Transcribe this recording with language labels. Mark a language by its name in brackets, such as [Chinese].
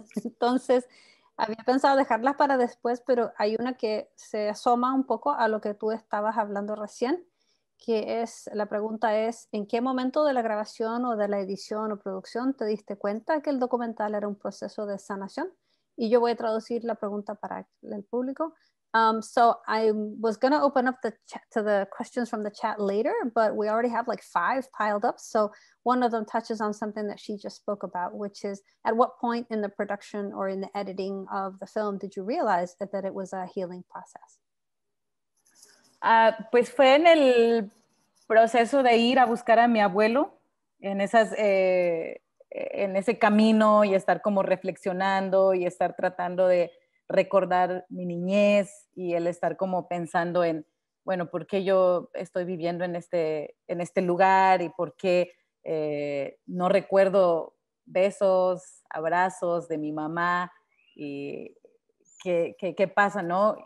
[Spanish] Entonces, había pensado dejarlas para después, pero hay una que se asoma un poco a lo que tú estabas hablando recién, que es, la pregunta es, ¿en qué momento de la grabación o de la edición o producción te diste cuenta que el documental era un proceso de sanación? Y yo voy a traducir la pregunta para el público. [English] So I was going to open up the chat to the questions from the chat later, but we already have like five piled up. So one of them touches on something that she just spoke about, which is at what point in the production or in the editing of the film did you realize that, it was a healing process? [Spanish] Pues fue en el proceso de ir a buscar a mi abuelo, en esas, en ese camino y estar como reflexionando y estar tratando de recordar mi niñez y el estar como pensando en, bueno, ¿por qué yo estoy viviendo en este lugar y por qué no recuerdo besos, abrazos de mi mamá y qué pasa, ¿no?